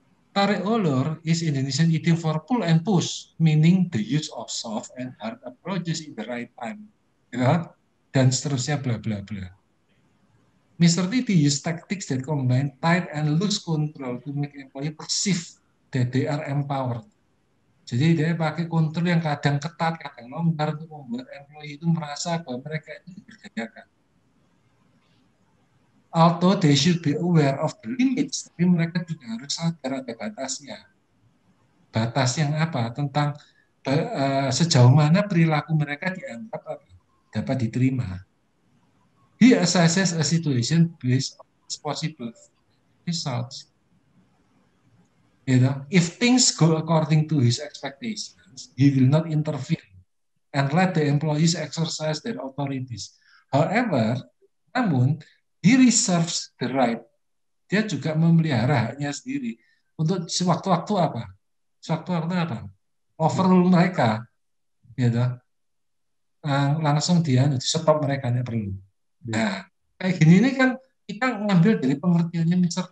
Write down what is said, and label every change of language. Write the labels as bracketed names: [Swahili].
[English] Tarik ulur is Indonesian idiom for pull and push, meaning the use of soft and hard approaches in the right time. [Indonesian] Gitu? Dan seterusnya, bla bla bla. Mr. T.D. [English] use tactics that combine tight and loose control to make employee perceive that they are empowered. [Indonesian] Jadi dia pakai kontrol yang kadang ketat, kadang longgar untuk membuat employee itu merasa bahwa mereka itu diberdayakan. [English] Although they should be aware of the limits, [Indonesian] tapi mereka juga harus sadar ada batasnya. Batas yang apa? Tentang sejauh mana perilaku mereka dianggap dapat diterima. [English] He assesses a situation based on its possible results. You know, if things go according to his expectations, he will not intervene and let the employees exercise their authorities. However, [Indonesian] namun, [English] he reserves the right. [Indonesian] Dia juga memelihara haknya sendiri untuk sewaktu-waktu apa? Sewaktu-waktu apa? Overrule mereka, you know, langsung dia stop mereka yang perlu. Nah, kayak gini ini kan kita ngambil dari pengertiannya Mr.